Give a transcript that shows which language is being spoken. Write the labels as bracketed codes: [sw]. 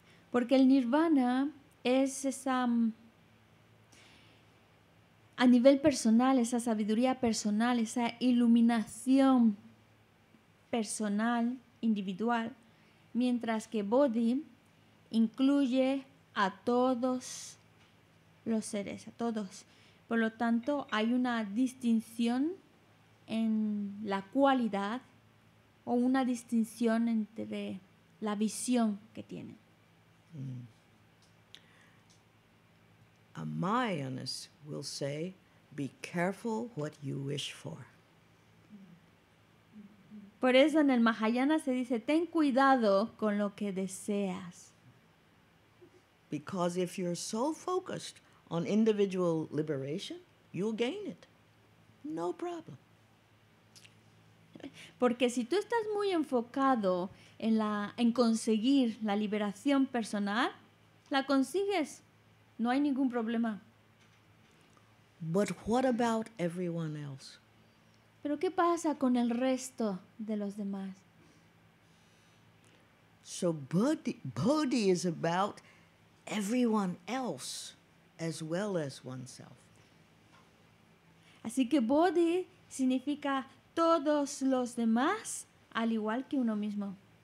[es] Porque el nirvana es esa, a nivel personal, esa sabiduría personal, esa iluminación personal, individual, mientras que bodhi incluye a todos los seres, a todos. Por lo tanto, hay una distinción en la cualidad o una distinción entre la visión que tienen. Mm. [en] A Mayanist will say, be careful what you wish for. [es] Por eso en el Mahayana se dice, ten cuidado con lo que deseas. [en] Because if you're so focused on individual liberation, you'll gain it. No problem. [es] Porque si tú estás muy enfocado en conseguir la liberación personal, la consigues. No hay ningún problema. [en] But what about everyone else? [es] ¿Pero qué pasa con el resto de los demás? [en] So Bodhi is about everyone else as well as oneself. [es] Así que Bodhi significa todos los demás al igual que uno mismo.